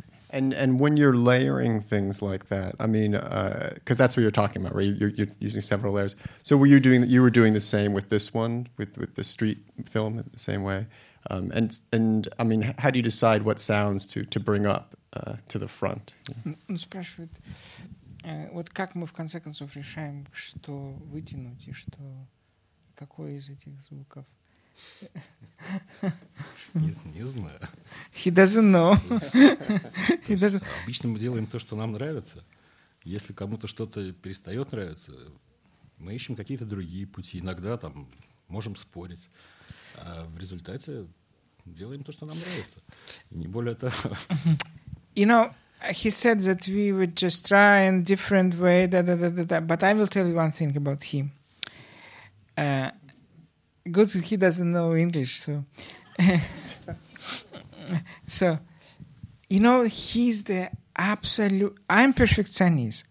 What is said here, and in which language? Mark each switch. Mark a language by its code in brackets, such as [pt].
[en] And when you're layering things like that, I mean, because that's what you're talking about, right? You're using several layers. So were you doing the same with this one, with the street film, the same way? And I mean, how do you decide what sounds to bring up to the front? [ru] Он спрашивает, вот как мы в конце концов решаем, что вытянуть и что какой из этих звуков? Не знаю. [en] He doesn't know. [ru] Обычно мы делаем то, что нам нравится. Если кому-то что-то перестает нравиться, мы ищем какие-то другие пути. Иногда там можем спорить. А в результате делаем то, что нам нравится. Не более того. [en] You know, he said that we would just try in different way, but I will tell you one thing about him. Good, he doesn't know English, so. So, you know, he's the absolute. I'm perfect Chinese.